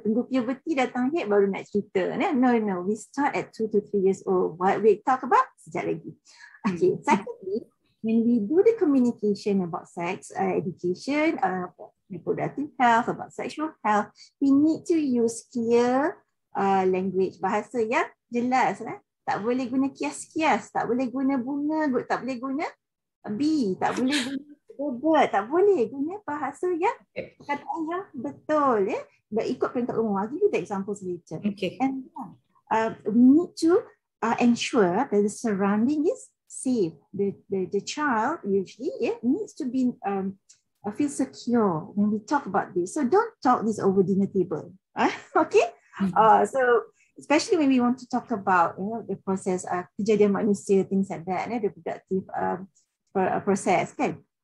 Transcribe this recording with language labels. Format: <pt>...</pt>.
<ms>Tunggu puberty datang hit, baru nak cerita.</ms> <en>No. We start at 2 to 3 years old. What we talk about?</en> <ms>Sekejap lagi.</ms> <en>Okay. Secondly, when we do the communication about sex education, about reproductive health, about sexual health, we need to use clear language.</en> <ms>Bahasa yang jelas. Tak boleh guna kias-kias. Tak boleh guna bunga. Tak boleh guna bee. Tak boleh guna bebek. Tak boleh guna bahasa yang perkataan yang betul. Berikut perintah umum.</ms> <en>I'll give you the examples later. Okay. And we need to ensure that the surrounding is safe. The child usually needs to be feel secure when we talk about this. So don't talk this over dinner table. Okay? So especially when we want to talk about the process,</en> <ms>kejadian manusia,</ms> <en>things like that, the productive process, kan?</en>